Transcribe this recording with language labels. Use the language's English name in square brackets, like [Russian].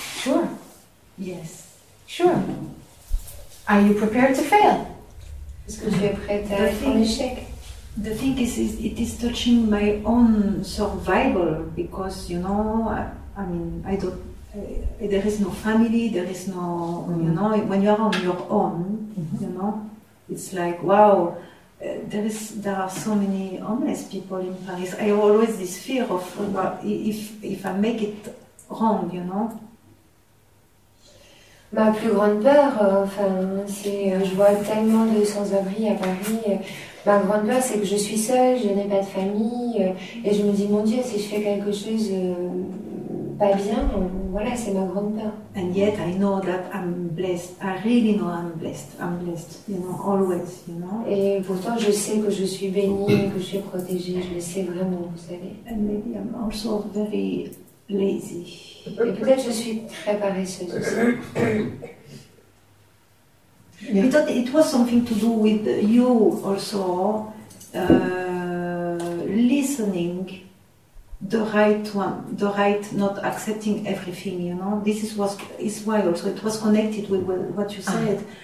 [English] Sure. Yes. Sure. Are you prepared to fail? [French] Est-ce que tu es prête à faire un échec? [English] The thing is, it is touching my own survival, because, you know, I mean, I don't. There is no family. There is no. You know, when you are on your own, you know, it's like wow. There are so many homeless people in Paris. I have always this fear of if I make it wrong, you know. [French] Ma plus grande peur, je vois tellement de sans-abri à Paris. Ma grande peur, c'est que je suis seule, je n'ai pas de famille, et je me dis, mon Dieu, si je fais quelque chose. Pas bien, voilà, c'est ma grande peur. [English] And yet I know that I'm blessed. I really know I'm blessed. I'm blessed, you know, always, you know. [French] Et pourtant, je sais que je suis bénie, que je suis protégée. Je le sais vraiment, vous savez. [English] And maybe I'm also very lazy. [French] Et peut-être je suis très paresseuse aussi. [English] Yeah. But it was something to do with you also listening. The right, not accepting everything, you know. This is why also it was connected with what you said.